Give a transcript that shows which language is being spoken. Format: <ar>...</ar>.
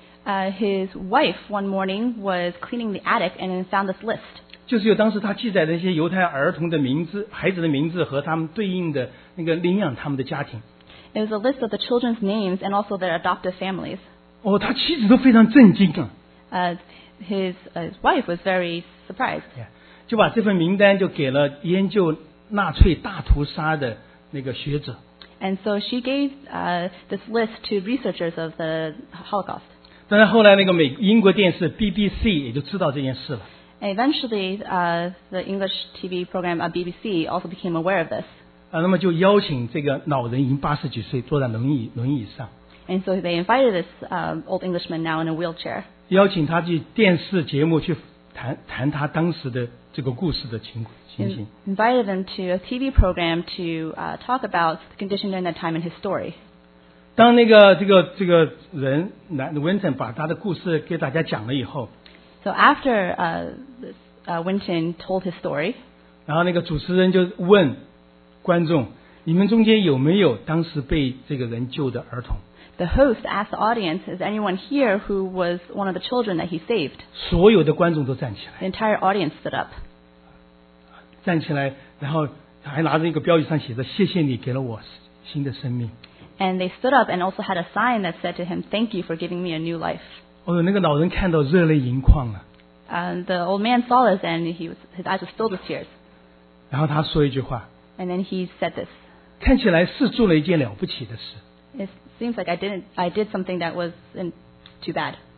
<en>His wife one morning was cleaning the attic and found this list.</en> <zh>就是有当时他记载的一些犹太儿童的名字、孩子的名字和他们对应的那个领养他们的家庭。</zh> <en>It was a list of the children's names and also their adoptive families.</en> <zh>哦，他妻子都非常震惊啊。</zh> <en>His wife was very surprised. Yeah.</en> <zh>就把这份名单就给了研究纳粹大屠杀的那个学者。</zh> <en>And so she gave this list to researchers of the Holocaust.</en> <zh>但是后来那个英国电视 BBC 也就知道这件事了。</zh> <en>And eventually, the English TV program BBC also became aware of this.</en> <zh>那么就邀请这个老人已经80几岁坐在轮椅上。</zh> <en>And so they invited this old Englishman now in a wheelchair.</en> <zh>邀请他去电视节目去谈他当时的这个故事的情形。</zh> <en>Invited them to a TV program to talk about the condition during that time in his story.</en> <zh>当那个这个人Winton 把他的故事给大家讲了以后。</zh> <en>So after Winton told his story,</en> <zh>然后那个主持人就问观众，你们中间有没有当时被这个人救的儿童？</zh> <en>The host asked the audience, is anyone here who was one of the children that he saved?</en> <zh>所有的观众都站起来。</zh> <en>The entire audience stood up.</en> <zh>站起来，然后还拿着一个标语上写着，谢谢你给了我新的生命。</zh> <en>And they stood up and also had a sign that said to him, thank you for giving me a new life.</en> <zh>哦，那个老人看到热泪盈眶啊。</zh> <en>The old man saw this and his eyes were filled with tears.</en> <zh>然后他说一句话。</zh> <en>And then he said this.</en> <zh>看起来是做了一件了不起的事。</zh> <en>It seems like I did something that wasn't too bad.</en>